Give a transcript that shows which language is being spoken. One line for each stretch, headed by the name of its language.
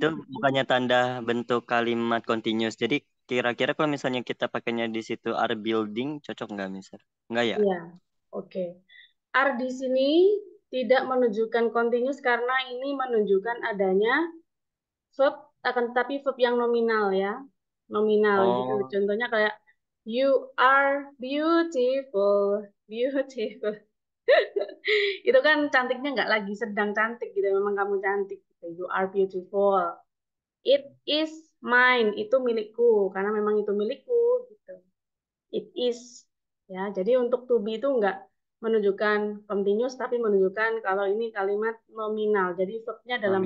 Indonesian: itu bukannya tanda bentuk kalimat continuous. Jadi kira-kira kalau misalnya kita pakainya di situ are building, cocok nggak, Mister? Nggak ya? Iya, oke. Are di sini tidak menunjukkan continuous karena ini menunjukkan adanya verb, akan tetapi verb yang nominal ya. Nominal gitu. Oh. Contohnya kayak
English: you are beautiful, beautiful.
Indonesian: Itu kan cantiknya nggak lagi sedang cantik gitu, memang kamu cantik.
English: You are beautiful. It is mine.
Indonesian: Itu milikku. Karena memang itu milikku. Gitu.
English: It is.
Indonesian: Ya, jadi untuk to be itu enggak menunjukkan continuous, tapi menunjukkan kalau ini kalimat nominal. Jadi verbnya dalam